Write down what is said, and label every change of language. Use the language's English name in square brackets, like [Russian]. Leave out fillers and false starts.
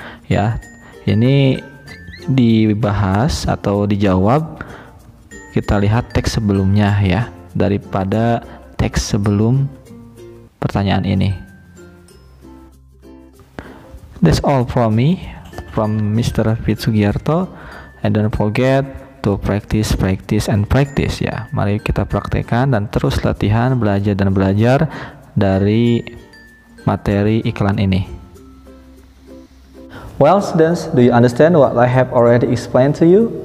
[Indonesian] Ya, ini dibahas atau dijawab, kita lihat teks sebelumnya, ya, daripada teks sebelum pertanyaan ini. [English] That's all from me, from Mr. Fitsugiarto. And don't forget to practice, practice, and practice, ya. [Indonesian] Mari kita praktekkan dan terus latihan, belajar dan belajar dari materi iklan ini. [English] Well, students, do you understand what I have already explained to you?